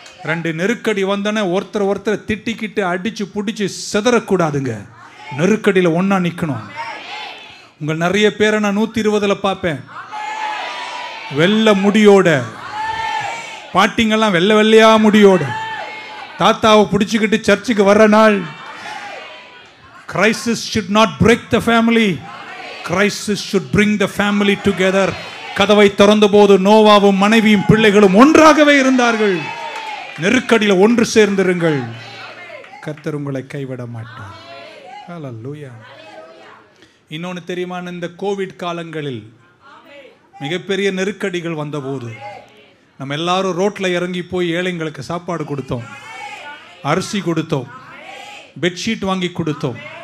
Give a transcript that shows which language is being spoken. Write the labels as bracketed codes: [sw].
[ta] ரெண்டு நெருக்கடி வந்தனே ஒருத்தரை திட்டிக்கிட்டு அடிச்சு பிடிச்சி சிதறக்கூடாதுங்க, நெருக்கடியில் ஒன்னா நிற்கணும். உங்கள் நிறைய பேரை நான் 120 பார்ப்பேன், வெள்ள முடியோட, பாட்டிங்கெல்லாம் வெள்ள வெள்ளையா முடியோட, தாத்தாவை பிடிச்சிக்கிட்டு சர்ச்சுக்கு வர்ற நாள். [en] Crisis should not break the family. Crisis should bring the family together. [ta] கதவை திறந்த போது நோவாவும் மனைவியும் பிள்ளைகளும் ஒன்றாகவே இருந்தார்கள். நெருக்கடியில் ஒன்று சேர்ந்திருங்கள், கர்த்தர் உங்களை கைவிட மாட்டார். ஹல்லேலூயா. இன்னொன்னு தெரியுமா, இந்த கோவிட் காலங்களில் மிகப்பெரிய நெருக்கடிகள் வந்தபோது நம்ம எல்லாரும் ரோட்டில் இறங்கி போய் ஏழைங்களுக்கு சாப்பாடு கொடுத்தோம், அரிசி கொடுத்தோம், பெட்ஷீட் வாங்கி கொடுத்தோம்.